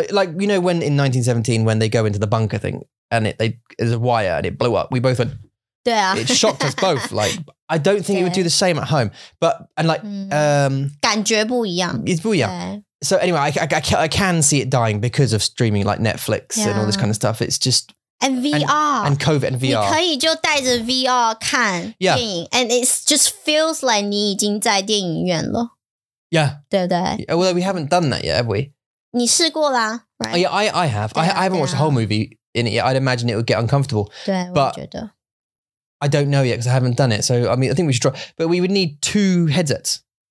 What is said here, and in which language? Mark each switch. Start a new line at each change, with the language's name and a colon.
English: Like, you know, when in 1917, when they go into the bunker thing and there's a wire and it blew up, we both went, it shocked us both. Like, I don't think it would do the same at home. But, and like,
Chinese: 感觉不一样.
English: It's
Chinese: 不一样.
English: So anyway, I can see it dying because of streaming like Netflix and all this kind of stuff. It's just... And VR. And COVID and VR.
Chinese: 你可以就带着VR看电影.
English: Yeah. And it just feels like
Chinese: 你已经在电影院了.
English: Yeah.
Chinese: 对对?
English: Well, we haven't done that yet, have we?
Chinese: 你试过啦,
English: right? Oh, yeah, I have. I haven't watched the whole movie in it yet. I'd imagine it would get uncomfortable.
Chinese: 对,
English: but
Chinese: 我觉得.
English: I don't know yet because I haven't done it. So, I mean, I think we should try. But we would need 2 headsets.